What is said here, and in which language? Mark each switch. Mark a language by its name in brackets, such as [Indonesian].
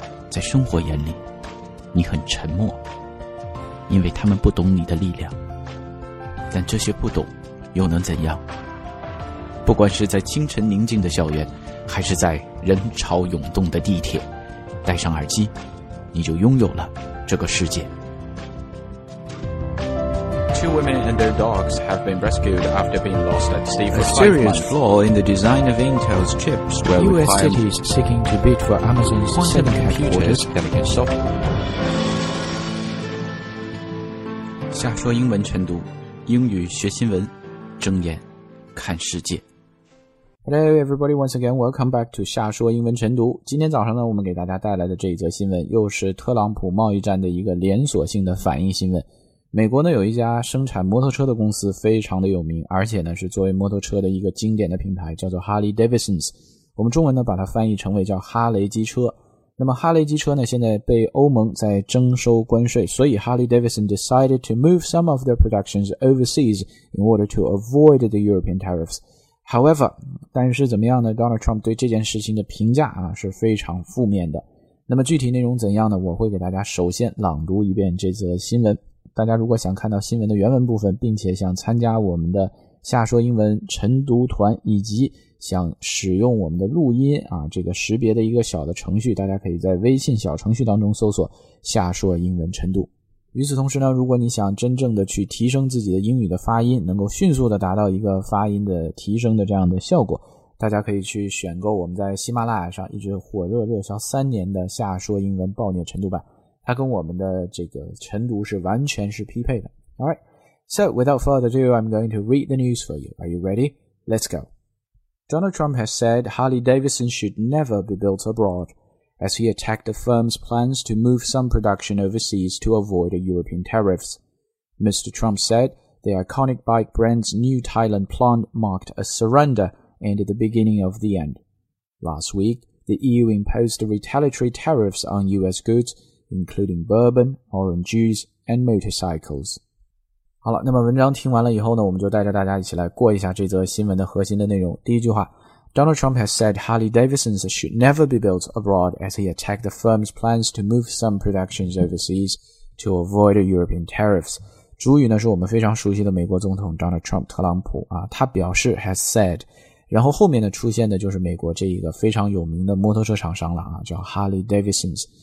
[Chinese] 在生活眼里，你很沉默，因为他们不懂你的力量。但这些不懂又能怎样？不管是在清晨宁静的校园，还是在人潮涌动的地铁，戴上耳机，你就拥有了这个世界。 [English] Two women and their dogs have been rescued after being lost at sea for 5 months. A serious flaw in the design of Intel's chips will require U.S. cities seeking to bid for Amazon's quantum computers delicate software. [Chinese] 瞎说英文晨读，英语学新闻，睁眼看世界。 [English] Hello everybody, once again, welcome back to 瞎说英文晨读。 [Chinese] 今天早上呢，我们给大家带来的这一则新闻，又是特朗普贸易战的一个连锁性的反应新闻。美国呢，有一家生产摩托车的公司非常的有名，而且呢，是作为摩托车的一个经典的品牌，叫做 Harley Davidson。我们中文呢，把它翻译成为叫哈雷机车。那么哈雷机车呢，现在被欧盟在征收关税，所以 [English] Harley Davidson decided to move some of their productions overseas in order to avoid the European tariffs. [Chinese] However, 但是怎么样呢 ?Donald Trump 对这件事情的评价啊是非常负面的。那么具体内容怎样呢，我会给大家首先朗读一遍这则新闻。大家如果想看到新闻的原文部分，并且想参加我们的瞎说英文晨读团，以及想使用我们的录音啊这个识别的一个小的程序，大家可以在微信小程序当中搜索瞎说英文晨读。与此同时呢，如果你想真正的去提升自己的英语的发音，能够迅速的达到一个发音的提升的这样的效果，大家可以去选购我们在喜马拉雅上一直火热热销三年的瞎说英文暴虐晨读版，它跟我们的这个晨读是完全是匹配的。 [English] Alright, so without further ado, I'm going to read the news for you. Are you ready? Let's go. Donald Trump has said Harley Davidson should never be built abroadas he attacked the firm's plans to move some production overseas to avoid European tariffs. Mr. Trump said the iconic bike brand's new Thailand plant marked a surrender and the beginning of the end. Last week, the EU imposed retaliatory tariffs on US goods, including bourbon, orange juice, and motorcycles. [Chinese] 好了，那么文章听完了以后呢，我们就带着大家一起来过一下这则新闻的核心的内容。第一句话， [English] Donald Trump has said Harley Davidson should never be built abroad as he attacked the firm's plans to move some productions overseas to avoid European tariffs. [Chinese] 主语呢是我们非常熟悉的美国总统 Donald Trump 特朗普啊，他表示 [English] has said, [Chinese] 然后后面呢出现的就是美国这一个非常有名的摩托车厂商了啊，叫 Harley Davidson。